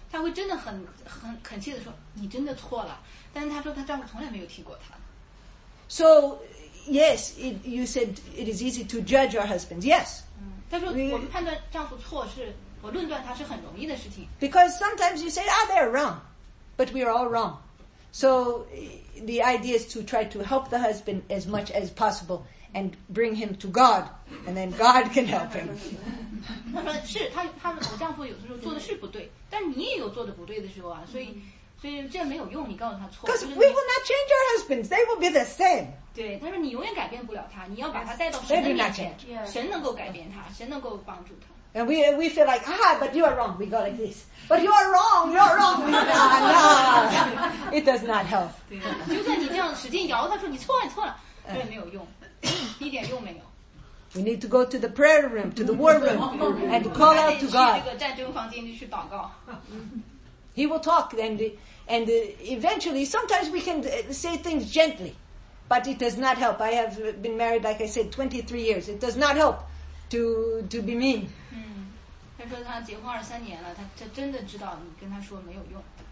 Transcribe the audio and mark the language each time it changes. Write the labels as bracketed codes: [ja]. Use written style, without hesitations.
[zh] 他会真的很恳切地说你真的错了，但是他说他丈夫从来没有提过他。 [en] So, yes, you said it is easy to judge our husbands. Yes. [zh] 他说我们判断丈夫错是我论断他是很容易的事情。 [en] Because sometimes you say, they are wrong. But we are all wrong. So the idea is to try to help the husband as much as possible and bring him to God. And then God can help him. [zh] 他说是他我丈夫有时候做的是不对，但你也有做的不对的时候啊，所以这没有用，你告诉他错。 [en] Because we will not change our husbands. They will be the same. [zh] 对，他说你永远改变不了他，你要把他带到神的面前。神能够改变他，神能够帮助他。 [en] And we feel like, but you are wrong. We go like this. But you are wrong. You are wrong. No. It does not help. [zh] 就算你这样使劲摇，他说你错了，你错了，这没有用，一点用没有。 [en] We need to go to the prayer room, to the war room, and call out to God. [zh] 去这个战争房间去祷告。 [en] He will talk, and eventually, sometimes we can say things gently, but it does not help. I have been married, like I said, 23 years. It does not help to be mean. [zh] 他说他结婚23年了，他真的知道你跟他说没有用。